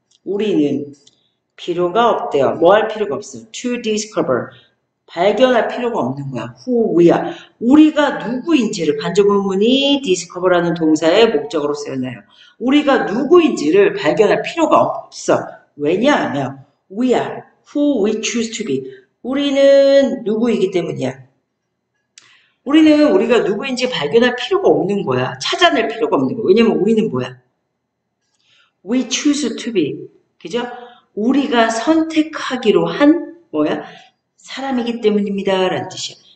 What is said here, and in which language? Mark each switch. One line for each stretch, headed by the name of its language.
Korean: 우리는 필요가 없대요. 뭐할 필요가 없어요.
English: To discover.
Korean: 발견할 필요가 없는 거야.
English: Who we are.
Korean: 우리가 누구인지를 반접문이 discover라는 동사의 목적으로 쓰였나요? 우리가 누구인지를 발견할 필요가 없어.
English: 왜냐하면 we are who we choose to be.
Korean: 우리는 누구이기 때문이야. 우리는 우리가 누구인지 발견할 필요가 없는 거야. 찾아낼 필요가 없는 거야. 왜냐면 우리는 뭐야?
English: We choose to be.
Korean: 그죠? 우리가 선택하기로 한 뭐야? 사람이기 때문입니다라는 뜻이야.